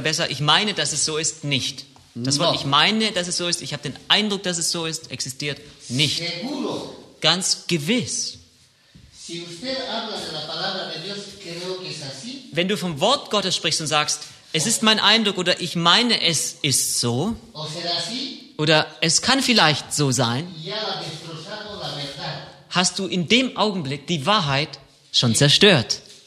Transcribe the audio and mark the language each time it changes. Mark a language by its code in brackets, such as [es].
[de] besser, ich meine, dass es so ist, nicht. Das Wort, ich meine, dass es so ist, ich habe den Eindruck, dass es so ist, existiert nicht. [es] Seguro. [de] Ganz gewiss. [es] Si usted habla de la palabra de Dios, creo que es así. [de] Wenn du vom Wort Gottes sprichst und sagst, es ist mein Eindruck oder ich meine, es ist so, [es] o será así, [de] oder es kann vielleicht so sein, [es] ya ha destrozado la verdad. [de] Hast du in dem Augenblick die Wahrheit schon zerstört.